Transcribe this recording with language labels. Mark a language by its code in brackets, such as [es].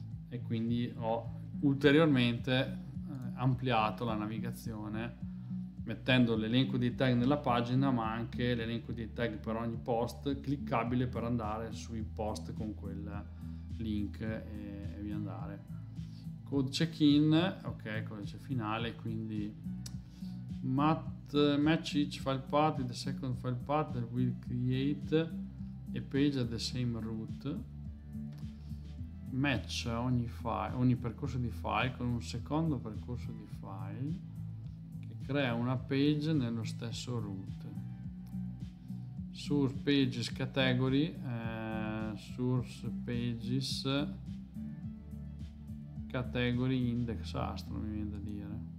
[it] e quindi ho ulteriormente ampliato la navigazione mettendo l'elenco dei tag nella pagina, ma anche l'elenco dei tag per ogni post cliccabile per andare sui post con quel link e via andare. [en] Code check-in, ok, [it] codice finale, quindi [en] match each file path with the second file path that will create a page at the same route. [it] Match ogni file, ogni percorso di file con un secondo percorso di file che crea una page nello stesso route. Source pages category, source pages category index astro, mi viene da dire.